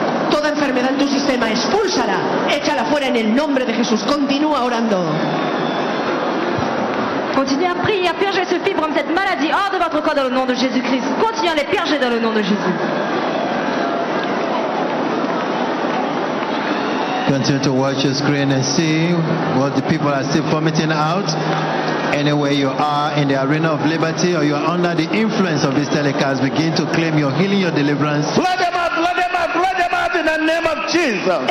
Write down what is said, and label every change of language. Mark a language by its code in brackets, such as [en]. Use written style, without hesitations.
[es] Toda enfermedad en tu sistema, expúlsala, échala fuera en el nombre de Jesús. Continúa orando. [fr] Continúa a prier, a purger ce fibrome, cette maladie hors de votre corps dans le nom de Jésus-Christ. Continúa a les purger dans le nom de Jésus. [en] Continue to watch your screen and see what the people are still vomiting out. Anywhere you are in the arena of liberty or you are under the influence of this telecast, begin to claim your healing, your deliverance. Blood them out in the name of Jesus.